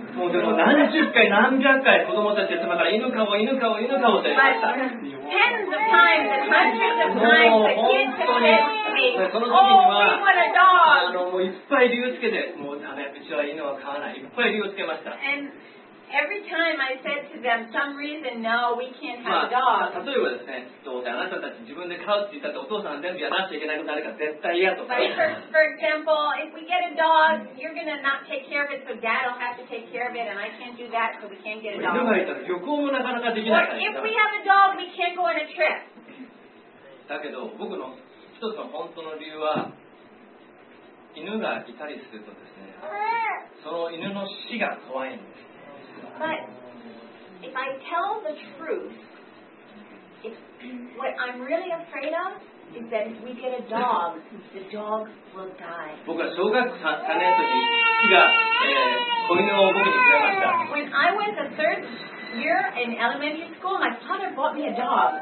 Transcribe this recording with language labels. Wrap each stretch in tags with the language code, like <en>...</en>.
<ja>もうでも何十回何百回子供たちが妻から犬飼おう犬飼おう犬飼おうと言いました。</ja> <en>Tens of times, hundreds of times, the kids are saying, "Oh, we want a dog."</en> <ja>もういっぱい理由つけて、もうダメ、うちは犬は飼わない。いっぱい理由つけました。</ja> <en>And every time I said to them, "Some reason, no, we can't have a dog."</en> <ja>まあ例えばですね、どうせあなたたち自分で飼うって言ったってお父さん全部やらなきゃいけないことあるから絶対嫌とか。</ja> <en>For example, if we get a dog, you're gonna not take care of it, so Dad will have to take care of it, and I can't do that, so we can't get a dog.</en> <ja>犬がいたら旅行もなかなかできないから。</ja> <en>But if we have a dog, we can't go on a trip.</en> <ja>だけど僕の一つの本当の理由は、犬がいたりするとですね、その犬の死が怖いんです。</ja> <en>But if I tell the truth, if what I'm really afraid of is that if we get a dog, the dog will die.</en> <ja>僕は小学3年の時、父が子犬を僕にくれました。</ja> <en>When I was a third year in elementary school, my father bought me a dog.</en>